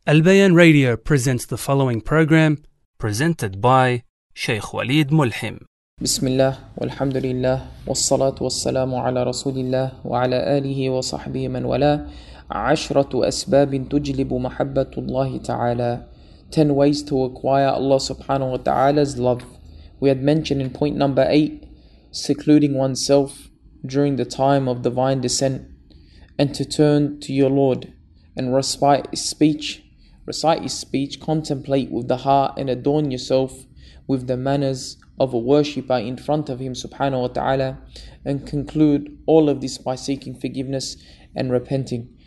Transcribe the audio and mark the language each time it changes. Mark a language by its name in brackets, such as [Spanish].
[English] البيان radio presents the following program presented by شيخ وليد ملحم. [Arabic] بسم الله والحمد لله والصلاة والسلام على رسول الله وعلى آله وصحبه من ولا. عشرة أسباب تجلب محبة الله تعالى. [English] 10 ways to acquire Allah subhanahu wa ta'ala's love. We had mentioned in point number 8, secluding oneself during the time of divine descent, and to turn to your Lord and recite his speech, contemplate with the heart, and adorn yourself with the manners of a worshipper in front of him subhanahu wa ta'ala, and conclude all of this by seeking forgiveness and repenting.